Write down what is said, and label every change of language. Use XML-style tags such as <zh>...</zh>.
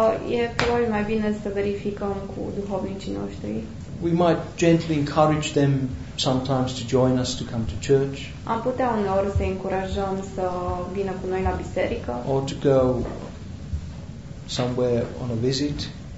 <ro>E probabil mai bine să verificăm cu duhovnicii noștri.</ro> <en>We might gently encourage them sometimes to join us to come to church.</en> <ro>Am putea uneori să încurajăm să vină cu noi la biserică.</ro> <en>Or to go somewhere on a visit.</en>